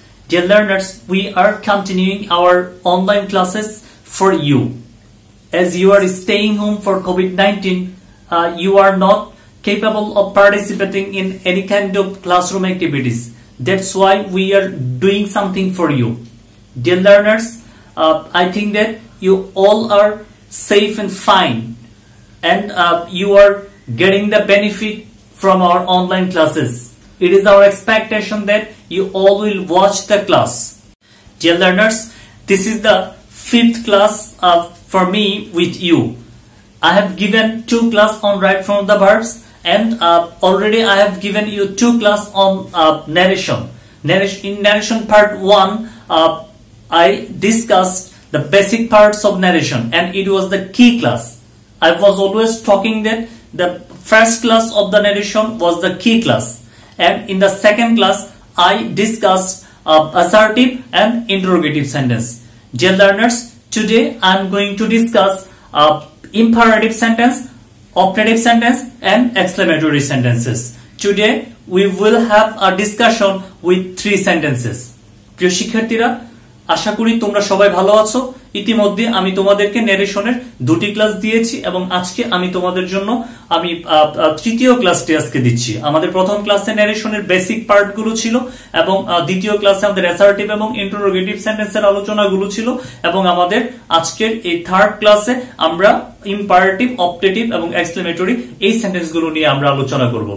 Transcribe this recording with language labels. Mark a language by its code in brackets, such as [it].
[en] Dear learners, we are continuing our online classes for you. As you are staying home for covid, you are not capable of participating in any kind of classroom activities, that's why we are doing something for you. Dear learners, I think that you all are safe and fine, and you are getting the benefit from our online classes. It is our expectation that you all will watch the class. Dear learners, this is the fifth class for me with you. I have given two class on right from the verbs, and already I have given you two class on narration. In narration part one, I discussed the basic parts of narration, and it was the key class. I was always talking that the first class of the narration was the key class, and in the second class I discussed assertive and interrogative sentence. Dear learners, today I am going to discuss imperative sentence, optative sentence and exclamatory sentences. Today we will have a discussion with three sentences. [bn] Priyo shikhartira, আশা করি তোমরা সবাই ভালো আছো। ইতিমধ্যে আমি তোমাদেরকে ন্যারেশনের দুটি class দিয়েছি, এবং আজকে আমি তোমাদের জন্য আমি তৃতীয় ক্লাসটি আজকে দিচ্ছি। আমাদের প্রথম ক্লাসে ন্যারেশনের বেসিক পার্টগুলো ছিল, এবং দ্বিতীয় ক্লাসে আমাদের অ্যাসার্টিভ এবং ইন্টারোগেটিভ সেন্টেন্সের আলোচনাগুলো ছিল, এবং আমাদের আজকের এই থার্ড ক্লাসে আমরা ইম্পারেটিভ, অপটেটিভ এবং এক্সক্লেমেটরি এই সেন্টেন্সগুলো নিয়ে আমরা আলোচনা করব।